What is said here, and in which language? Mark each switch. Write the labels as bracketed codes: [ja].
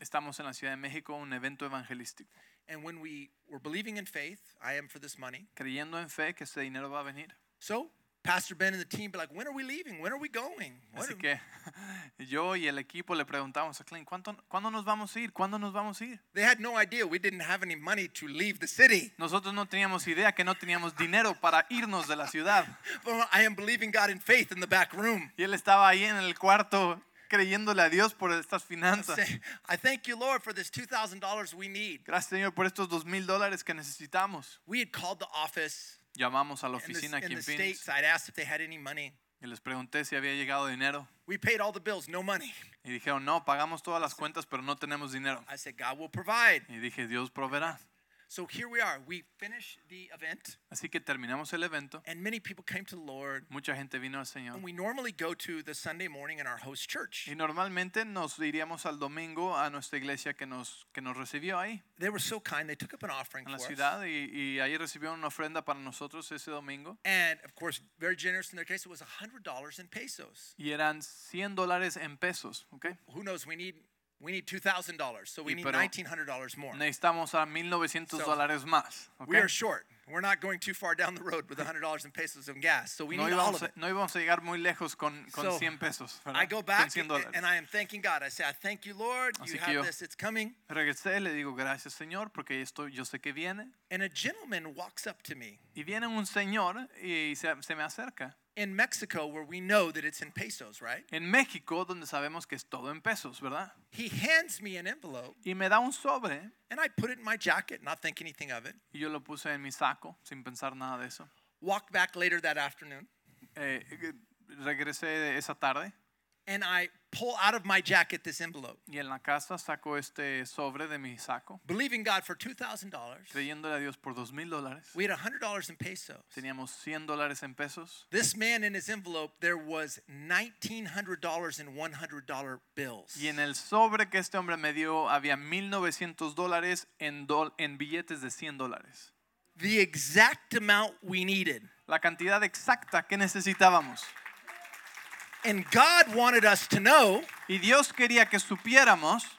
[es] Estamos en la Ciudad de México, un evento evangelístico. [en] And when we were believing in faith, I am for this money. [es] Creyendo en fe que este dinero va a venir. [en] So Pastor Ben and the team be like, when are we leaving? When are we going? [es] Así que yo y el equipo le preguntamos a Clint, ¿cuándo nos vamos a ir? ¿Cuándo nos vamos a ir? [en] They had no idea. We didn't have any money to leave the city. [es] Nosotros no teníamos idea que no teníamos dinero para irnos de la ciudad. [en] Well, I am believing God in faith in the back room. [es] Y él estaba ahí en el cuarto creyéndole a Dios por estas finanzas. [en] I thank you, Lord, for this $2,000 we need. [es] Gracias, Señor, por estos $2,000 que necesitamos. [en] We had called the office. [es] Llamamos a la oficina aquí en Phoenix. [en] I asked if they had any money. [es] Y les pregunté si había llegado dinero. [en] We paid all the bills, no money. [es] Y dijeron, no, pagamos todas las cuentas, pero no tenemos dinero. [en] I said, God will provide. [es] Y dije, Dios proveerá. [en] So here we are. We finish the event. [es] Así que terminamos el evento. [en] And many people came to the Lord. [es] Mucha gente vino al Señor. [en] And we normally go to the Sunday morning in our host church. [es] Y normalmente nos iríamos al domingo a nuestra iglesia que nos recibió ahí. [en] They were so kind. They took up an offering for us. [es] En la ciudad y ahí recibieron una ofrenda para nosotros ese domingo. [en] And of course, very generous in their case, it was $100 in pesos. [es] Y eran $100 en pesos, ¿okay? [en] Who knows? We need $2,000, so we need $1,900 more. [es] Necesitamos a $1,900 más. [en] We are short. We're not going too far down the road with $100 in pesos in gas, so we need all of it. [es] No íbamos a llegar muy lejos con 100 pesos. [en] I go back and I am thanking God. I say, I thank you, Lord. You have this. It's coming. [es] Regresé, le digo gracias, Señor, porque esto yo sé que viene. [en] And a gentleman walks up to me. [es] Y viene un señor y se me acerca. [en] In Mexico, where we know that it's in pesos, right? [es] En México, donde sabemos que es todo en pesos, ¿verdad? [en] He hands me an envelope. [es] Y me da un sobre. [en] And I put it in my jacket, not thinking anything of it. [es] Y yo lo puse en mi saco, sin pensar nada de eso. [en] Walk back later that afternoon. [es] Regresé esa tarde. [en] And I pull out of my jacket this envelope. [es] Y en la casa saco este sobre de mi saco. [en] Believing God for $2,000. [es] Creyéndole a Dios por $2,000. [en] We had $100 in pesos. [es] Teníamos $100 en pesos. [en] This man in his envelope, there was $1,900 in $100 bills. [es] Y en el sobre que este hombre me dio había $1,900 en billetes de $100. [en] The exact amount we needed. [es] La cantidad exacta que necesitábamos. [en] And God wanted us to know. [es] Y Dios quería que supiéramos.